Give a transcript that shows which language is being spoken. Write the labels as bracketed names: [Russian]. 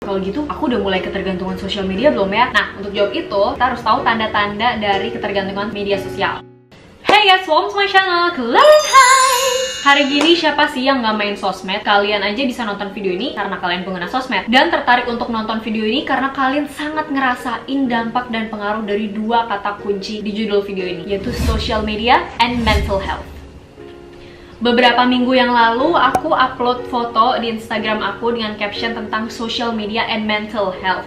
[Indonesian] Kalau gitu, aku udah mulai ketergantungan sosial media belum ya? Nah, untuk jawab itu, kita harus tahu tanda-tanda dari ketergantungan media sosial. [English] Hey guys, welcome to my channel, Clarence. [Indonesian] Hi! Hari gini siapa sih yang nggak main sosmed? Kalian aja bisa nonton video ini karena kalian pengguna sosmed. Dan tertarik untuk nonton video ini karena kalian sangat ngerasain dampak dan pengaruh dari dua kata kunci di judul video ini, yaitu [English] social media and mental health. [Indonesian] Beberapa minggu yang lalu, aku upload foto di Instagram aku dengan caption tentang [English] social media and mental health.